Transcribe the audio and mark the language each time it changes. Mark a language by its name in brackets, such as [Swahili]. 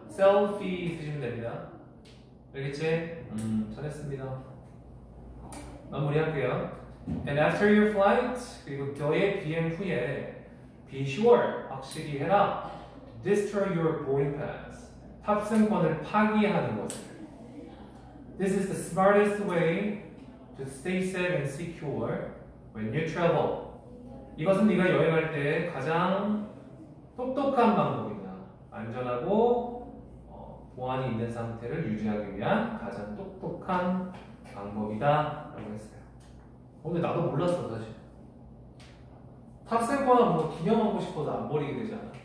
[Korean] 셀피 쓰시면 됩니다. 알겠지? 잘했습니다. 마무리할게요. [English] And after your flight, [Korean] 그리고 너의 비행 후에 [English] Be sure, [Korean] 확실히 해라. [English] Destroy your boarding pass. [Korean] 탑승권을 파기하는 것을. [English] This is the smartest way to stay safe and secure when you travel. [Korean] 이것은 네가 여행할 때 가장 똑똑한 방법입니다. 안전하고 보안이 있는 상태를 유지하기 위한 가장 똑똑한 방법이다 라고 했어요. 근데 나도 몰랐어 사실. 탑승권은 뭐 기념하고 싶어도 안 버리게 되잖아.